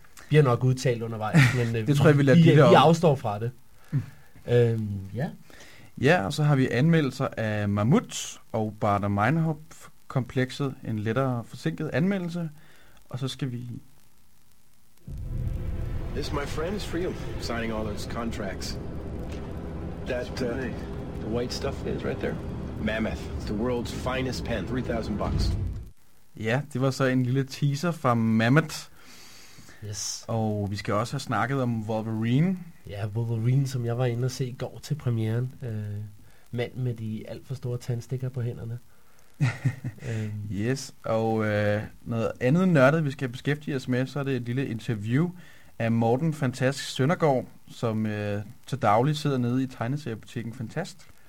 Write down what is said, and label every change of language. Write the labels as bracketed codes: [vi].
[da] Vi har nok udtalt undervejs, men det tror jeg, vi lader vi afstår fra det. Ja. Ja, og så har vi anmeldelser af Mammut og Bader-Meinhof-komplekset, en lettere forsinket anmeldelse, og så skal vi... [en] This, my friend, is for you, signing all those contracts. That, the white stuff is right there. Mammoth, it's the world's finest pen, $3,000. [da] Ja, det var så en lille teaser fra Mammoth. [en] Yes. [da] Og vi skal også have snakket om Wolverine. Ja, Wolverine, som jeg var inde og se i går til premieren. Mand med de alt for store tandstikker på hænderne. Yes, og noget andet nørdet, vi skal beskæftige os med, så er det et lille interview af Morten Fantast Søndergaard, som til daglig sidder nede i tegneseriebutikken Fantast.